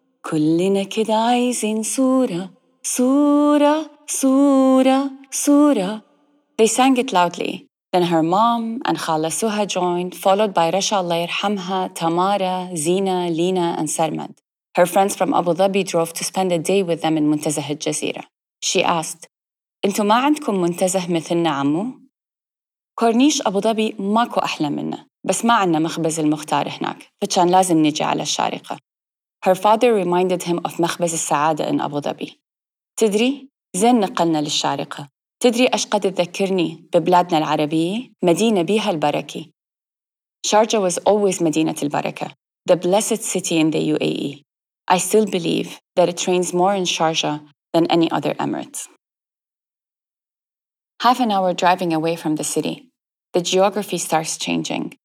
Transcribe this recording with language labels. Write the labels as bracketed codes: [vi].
[ar] كلنا كده عايزين صورة صورة صورة صورة. [en] They sang it loudly. Then her mom and Khala Suha joined, followed by Rasha Allah Yirhamha, Tamara, Zina, Lina, and Sarmad. Her friends from Abu Dhabi drove to spend a day with them in Muntazah al-Jazeera. She asked, [ar] "Into ما عندكم منتزه مثلنا عمو؟ كورنيش أبو ظبي ماكو أحلى منه، بس ما عندنا مخبز المختار هناك، فكان لازم نجي على الشارقة." [en] Her father reminded him of مخبز السعادة in Abu Dhabi. [ar] تدري؟ زين نقلنا للشارقة. تدري أشقد تذكرني ببلادنا العربية؟ مدينة بيها البركة. [en] Sharjah was always [ar] مدينة البركة, [en] the blessed city in the UAE. I still believe that it rains more in Sharjah than any other emirate. Half an hour driving away from the city, the geography starts changing.